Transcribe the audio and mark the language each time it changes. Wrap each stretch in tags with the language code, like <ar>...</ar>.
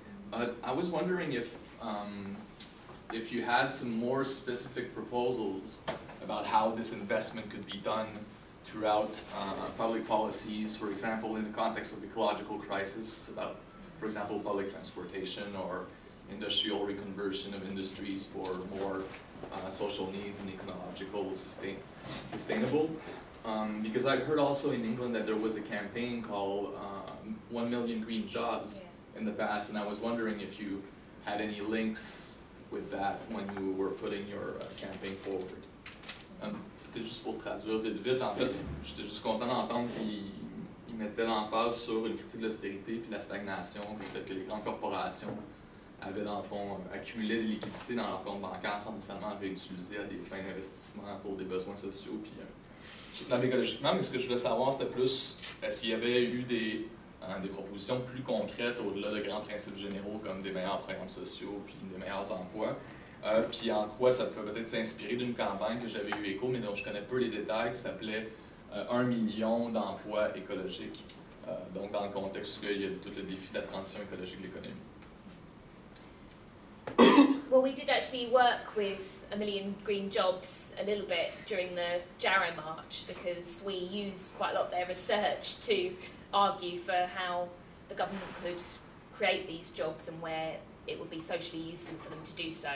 <en>But I was wondering if you had some more specific proposals about how this investment could be done throughout public policies, for example, in the context of ecological crisis, about, for example, public transportation or industrial reconversion of industries for more social needs and ecological sustainable. Because I've heard also in England that there was a campaign called 1 million green jobs in the past, and I was wondering if you had any links with that when you were putting your campaign forward.</en> <fr>C'était juste pour traduire vite. En fait, j'étais juste content d'entendre qu'ils mettaient l'emphase sur une critique de l'austérité puis la stagnation, puis le fait que les grandes corporations avaient, dans le fond, accumulé des liquidités dans leurs comptes bancaires sans nécessairement être utilisées à des fins d'investissement pour des besoins sociaux, puis soutenables écologiquement. Mais ce que je voulais savoir, c'était plus, est-ce qu'il y avait eu des propositions plus concrètes au-delà de grands principes généraux comme des meilleurs programmes sociaux puis des meilleurs emplois? Puis en quoi ça pouvait peut-être s'inspirer d'une campagne que j'avais eu écho, mais dont je connais peu les détails, qui s'appelait 1 million d'emplois écologiques, donc dans le contexte où il y a tout le défi de la transition écologique de l'économie.</fr> <en>Well, we did actually work with 1 million green jobs a little bit during the Jarrow March, because we used quite a lot of their research to argue for how the government could create these jobs and where it would be socially useful for them to do so.</en>